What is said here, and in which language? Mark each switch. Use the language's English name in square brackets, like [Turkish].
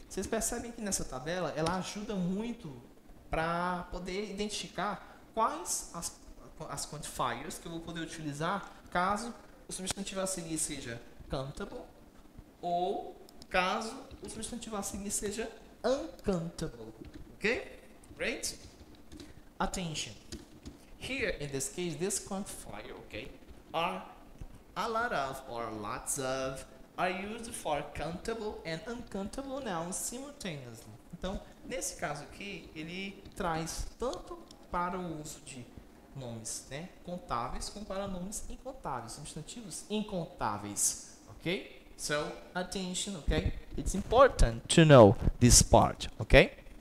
[Portuguese] Vocês percebem que nessa tabela ela ajuda muito para poder identificar quais as quantifiers que eu vou poder utilizar caso o substantivo a seguir seja countable ou caso o substantivo a seguir seja uncountable, okay? [English] Great. Attention. Here, in this case, this quantifier, okay, are a lot of or lots of are used for countable and uncountable nouns simultaneously. [Portuguese] Então, nesse caso aqui, ele traz tanto para o uso de nomes, né, contáveis, como para nomes incontáveis, substantivos incontáveis, okay? [English] So, attention, okay? It's important to know this part, okay?